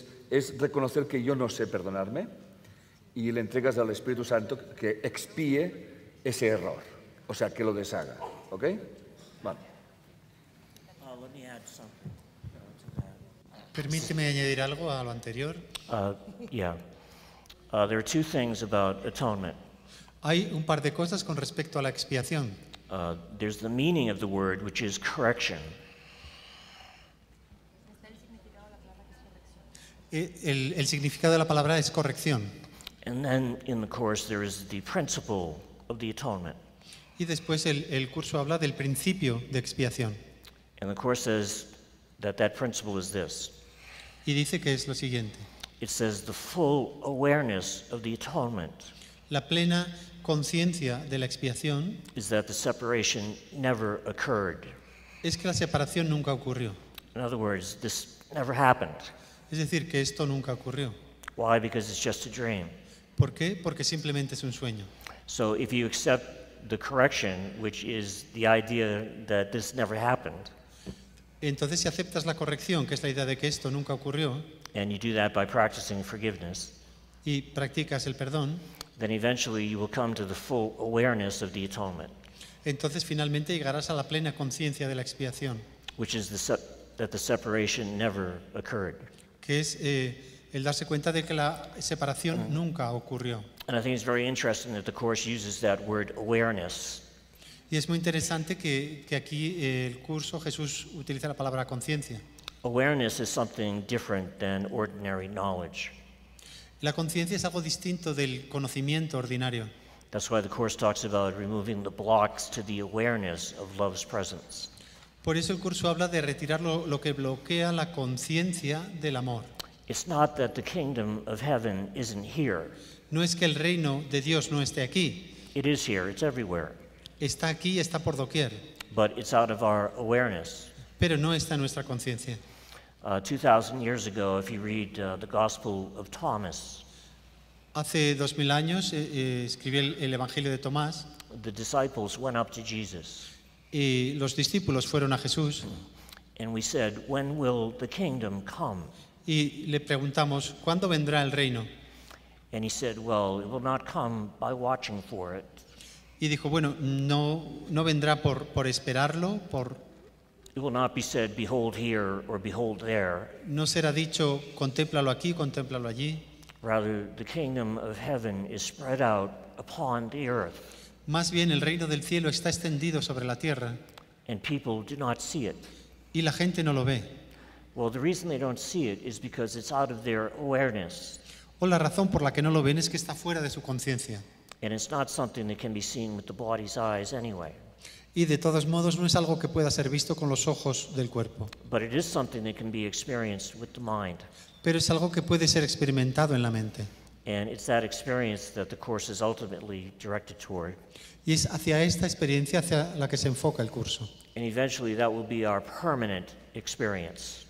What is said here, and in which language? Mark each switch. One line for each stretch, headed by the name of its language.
Spanish: Es reconocer que yo no sé perdonarme y le entregas al Espíritu Santo que expíe ese error, o sea, que lo deshaga, ¿ok? Vale. Permíteme añadir algo a lo anterior.
English: There are two things about atonement.
Spanish: Hay un par de cosas con respecto a la expiación.
English: There's the meaning of the word, which is correction.
Spanish: El significado de la palabra es corrección.
English: And then in the course there is the principle of the atonement.
Spanish: Y después el curso habla del principio de expiación.
English: And the course says that principle is this.
Spanish: Y dice que es lo siguiente.
English: It says the full awareness of the atonement.
Spanish: La plena conciencia de la expiación
English: is that the separation never occurred.
Spanish: Es que la separación nunca ocurrió.
English: In other words, this never happened.
Spanish: Es decir, que esto nunca ocurrió.
English: Why? Because it's just a dream.
Spanish: ¿Por qué? Porque simplemente es un sueño.
English: So if you accept the correction, which is the idea that this never happened.
Spanish: Entonces, si aceptas la corrección, que es la idea de que esto nunca ocurrió,
English: and you do that by practicing forgiveness,
Spanish: y practicas el perdón,
English: then eventually you will come to the full awareness of the atonement.
Spanish: Entonces, finalmente llegarás a la plena conciencia de la expiación,
English: which is that the separation never occurred.
Spanish: Que es el darse cuenta de que la separación nunca ocurrió.
English: And I think it's very interesting that the course uses that word awareness.
Spanish: Y es muy interesante que aquí el curso Jesús utiliza la palabra conciencia.
English: Awareness is something different than ordinary knowledge.
Spanish: La conciencia es algo distinto del conocimiento ordinario.
English: That's why the course talks about removing the blocks to the awareness of love's presence.
Spanish: Por eso el curso habla de retirar lo que bloquea la conciencia del amor.
English: It's not that the kingdom of heaven isn't here.
Spanish: No es que el reino de Dios no esté aquí.
English: It is here, it's everywhere.
Spanish: Está aquí, está por doquier.
English: But it's out of our awareness.
Spanish: Pero no está en nuestra conciencia.
English: 2,000 years ago, if you read the Gospel of Thomas,
Spanish: hace 2,000 años escribí el Evangelio de Tomás.
English: The disciples went up to Jesus.
Spanish: Y los discípulos fueron a Jesús.
English: And we said, when will the kingdom come?
Spanish: Y le preguntamos, ¿cuándo vendrá el reino?
English: And he said, well, it will not come by watching for it.
Spanish: Y dijo, bueno, no vendrá por esperarlo, por...
English: It will not be said, behold here or behold there.
Spanish: No será dicho, contémplalo aquí, contémplalo allí.
English: Rather, the kingdom of heaven is spread out upon the earth.
Spanish: Más bien, el reino del cielo está extendido sobre la tierra.
English: And people do not see it.
Spanish: Y la gente no lo ve.
English: Well, the reason they don't see it is because it's out of their awareness.
Spanish: O la razón por la que no lo ven es que está fuera de su conciencia.
English: And it's not something that can be seen with the body's eyes anyway.
Spanish: Y de todos modos no es algo que pueda ser visto con los ojos del cuerpo.
English: But it is something that can be experienced with the mind.
Spanish: Pero es algo que puede ser experimentado en la mente.
English: And it's that experience that the course is ultimately directed toward.
Spanish: Y es hacia esta experiencia hacia la que se enfoca el curso.
English: And eventually that will be our permanent experience.